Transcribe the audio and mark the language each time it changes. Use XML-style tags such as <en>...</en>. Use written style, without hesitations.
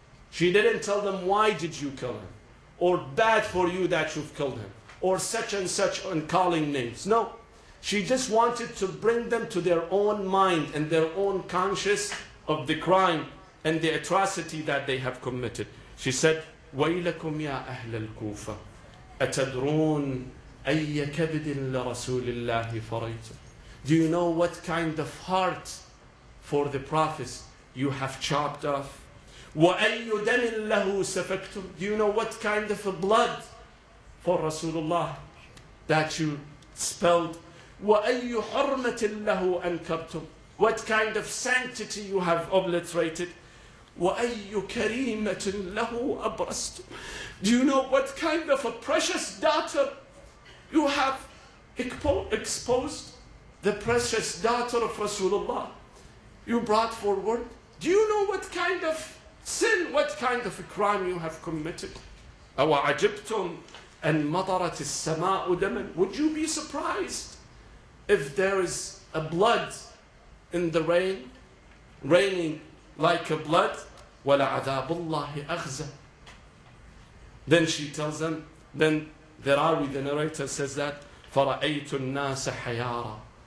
<en>She didn't tell them, why did you kill him? Or bad for you that you've killed him. Or such and such uncalling names. No. She just wanted to bring them to their own mind and their own conscience of the crime and the atrocity that they have committed. She said,</en> <ar>وَيْلَكُمْ يَا أَهْلَ الْكُوفَةِ أَتَدْرُونَ أَيَّ كَبِدٍ لَرَسُولِ اللَّهِ فَرَيْتُمْ.</ar> <en>Do you know what kind of heart for the prophets you have chopped off?</en> <ar>وَأَيُّ دَمٍ لَهُ سَفَكْتُمْ.</ar> <en>Do you know what kind of blood for Rasulullah that you spilled?</en> <ar>وَأَيُّ حُرْمَةٍ لَهُ أَنْكَبْتُمْ.</ar> <en>What kind of sanctity you have obliterated?</en> <ar>وَأَيُّ كَرِيمَةٍ لَهُ أَبْرَسْتُمْ.</ar> <en>Do you know what kind of a precious daughter you have exposed? The precious daughter of Rasulullah you brought forward. Do you know what kind of sin, what kind of a crime you have committed?</en> <ar>أَوَعَجِبْتُمْ أَنْ مَطَرَتِ السَّمَاءُ دَمًا.</ar> <en>Would you be surprised if there is a blood in the rain, raining like a blood?</en> <ar>وَلَعَذَابُ اللَّهِ أَخْزَى.</ar> <en>Then she tells them, then the Rawi, the narrator, says that,</en> <ar>فَرَأَيْتُ النَّاسَ حَيَارًا.</ar>